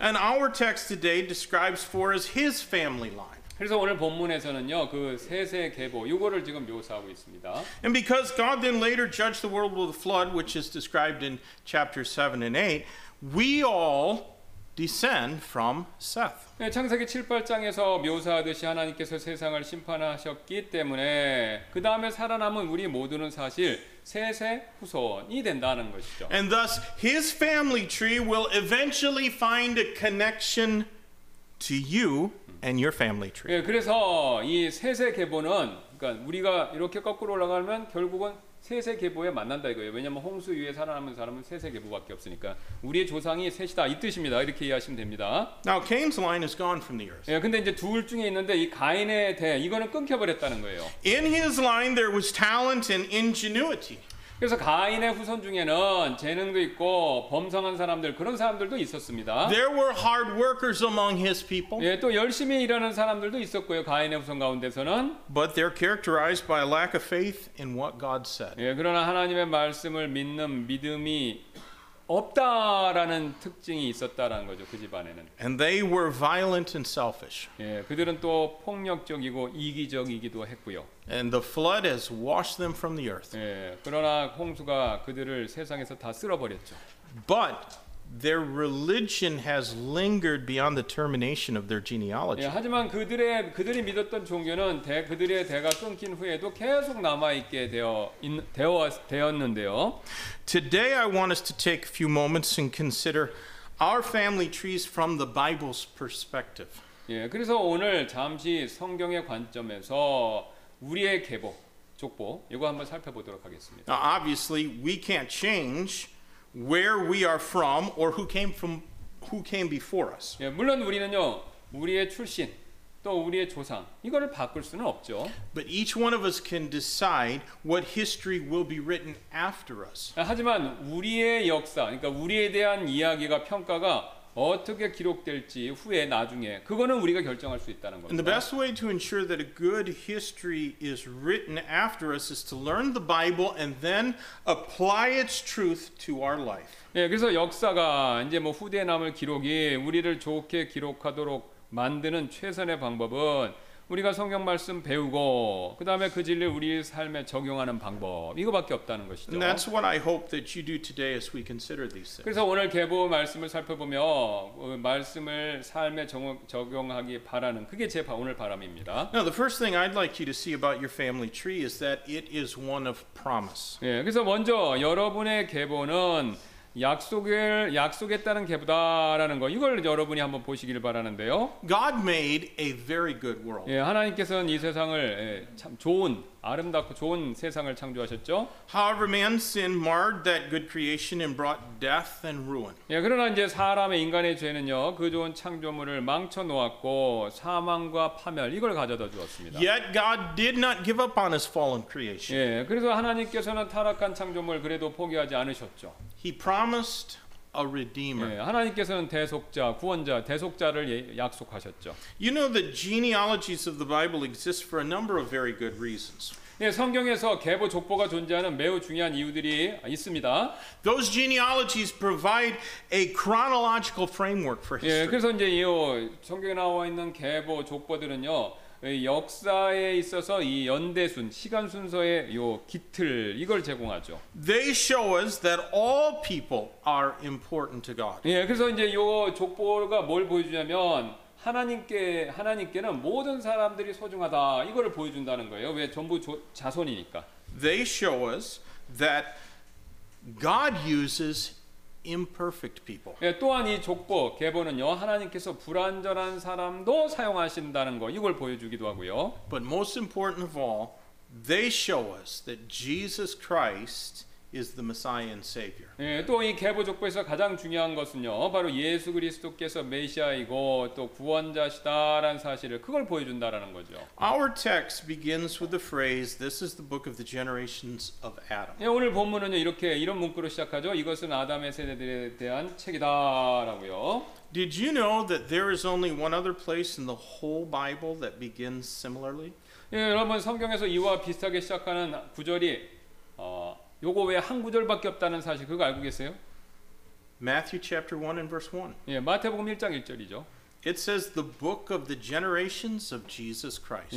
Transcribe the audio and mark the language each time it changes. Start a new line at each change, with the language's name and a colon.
English: And our text today describes for us his family line.
Korean: 그래서 오늘 본문에서는요, 그 셋의 계보 이거를 지금 묘사하고 있습니다.
English: And because God then later judged the world with a flood, which is described in chapters 7 and 8, we all descend from Seth.
Korean: 예, 창세기 7, 8장에서 묘사하듯이 하나님께서 세상을 심판하셨기 때문에 그 다음에 살아남은 우리 모두는 사실 셋의 후손이 된다는 것이죠.
English: And thus his family tree will eventually find a connection to you and your family tree.
Korean: 예, 그래서 이 셋의 계보는 그러니까 우리가 이렇게 거꾸로 올라가면 결국은 셋의 계보에 만난다 이거예요. 왜냐면 홍수 위에 살아남은 사람은 셋의 계보밖에 없으니까 우리의 조상이 셋이다 이 뜻입니다. 이렇게 이해하시면 됩니다.
English: Now Cain's line is gone from the earth.
Korean: 예, 근데 이제 둘 중에 있는데 이 가인에 대해 이거는 끊겨버렸다는 거예요.
English: In his line there was talent and ingenuity.
Korean: 그래서 가인의 후손 중에는 재능도 있고 범성한 사람들 그런 사람들도 있었습니다.
English: There were hard workers among his people.
Korean: 예, 또 열심히 일하는 사람들도 있었고요. 가인의 후손 가운데서는.
English: But they're characterized by a lack of faith in what God said.
Korean: 예, 그러나 하나님의 말씀을 믿는 믿음이 없다라는 특징이 있었다라는 거죠. 그 집안에는.
English: And they were violent and selfish.
Korean: 예, 그들은 또 폭력적이고 이기적이기도 했고요.
English: And the flood has washed them from the earth.
Korean: 예, 그러나 홍수가 그들을 세상에서 다 쓸어버렸죠.
English: But their religion has lingered beyond the termination of their genealogy.
Korean: 예, 하지만 그들이 믿었던 종교는 그들의 대가 끊긴 후에도 계속 남아 있게 되었는데요.
English: Today I want us to take a few moments and consider our family trees from the Bible's perspective.
Korean: 예, 그래서 오늘 잠시 성경의 관점에서 우리의 계보, 족보 이거 한번 살펴보도록 하겠습니다.
English: Now, obviously we can't change where we are from or who came before us.
Korean: 예, 물론 우리는요. 우리의 출신 또 우리의 조상 이거를 바꿀 수는 없죠.
English: But each one of us can decide what history will be written after us.
Korean: 하지만 우리의 역사 그러니까 우리에 대한 이야기가 평가가 어떻게 기록될지 후에 나중에 그거는 우리가 결정할 수 있다는 겁니다.
English: And the best way to ensure that a good history is written after us is to learn the Bible and then apply its truth to our life.
Korean: 예, 그래서 역사가 이제 뭐 후대에 남을 기록이 우리를 좋게 기록하도록 만드는 최선의 방법은 우리가 성경 말씀 배우고 그다음에 그 진리를 우리 삶에 적용하는 방법 이거밖에 없다는 것이죠.
English: And that's what I hope that you do today as we consider these things.
Korean: 그래서 오늘 계보 말씀을 살펴보며 말씀을 삶에 적용하기 바라는 그게 제 오늘 바람입니다.
English: Now the first thing I'd like you to see about your family tree is that it is one of promise.
Korean: 예, 그래서 먼저 여러분의 계보는 약속했다는 계보다라는 거 이걸 여러분이 한번 보시기를 바라는데요.
English: God made a very good world.
Korean: 예, 하나님께서는 이 세상을 예, 참 좋은 아름답고 좋은 세상을 창조하셨죠.
English: However, man sin marred that good creation and brought death and ruin.
Korean: 예, 그러나 이제 사람의 인간의 죄는요, 그 좋은 창조물을 망쳐 놓았고 사망과 파멸 이걸 가져다 주었습니다.
English: Yet God did not give up on his fallen creation.
Korean: 예, 그래서 하나님께서는 타락한 창조물 그래도 포기하지 않으셨죠.
English: He promised a redeemer.
Korean: 예, 하나님께서는 대속자, 구원자, 대속자를 약속하셨죠.
English: You know the genealogies of the Bible exist for a number of very good reasons.
Korean: 예, 성경에서 계보 족보가 존재하는 매우 중요한 이유들이 있습니다.
English: Those genealogies provide a chronological framework for history.
Korean: 예, 그래서 이제 이 성경에 나와 있는 계보 족보들은요. 역사에 있어서 이 연대순 시간 순서의 요 깃틀 이걸 제공하죠.
English: They show us that all people are important to God.
Korean: 예, 그래서 이제 요 족보가 뭘 보여주냐면 하나님께는 모든 사람들이 소중하다 이거를 보여준다는 거예요. 왜 전부 자손이니까.
English: They show us that God uses imperfect people.
Korean: 예, 또한 이 족보 계보는요 하나님께서 불완전한 사람도 사용하신다는 거 이걸 보여주기도 하고요.
English: But most important of all, they show us that Jesus Christ is the Messiah and Savior.
Korean: 예, 또 이 계보 족보에서 가장 중요한 것은요 바로 예수 그리스도께서 메시아이고 또 구원자시다라는 사실을 그걸 보여준다라는 거죠.
English: Our text begins with the phrase, "This is the book of the generations of Adam."
Korean: 예, 오늘 본문은요 이렇게 이런 문구로 시작하죠. 이것은 아담의 세대들에 대한 책이다라고요.
English: Did you know that there is only one other place in the whole Bible that begins similarly?
Korean: 예, 여러분 성경에서 이와 비슷하게 시작하는 구절이 요거 왜 한 구절밖에 없다는 사실 그거 알고 계세요?
English: Matthew chapter 1 and verse 1.
Korean: 예, 마태복음 1장 1절이죠.
English: It says the book of the generations of Jesus Christ.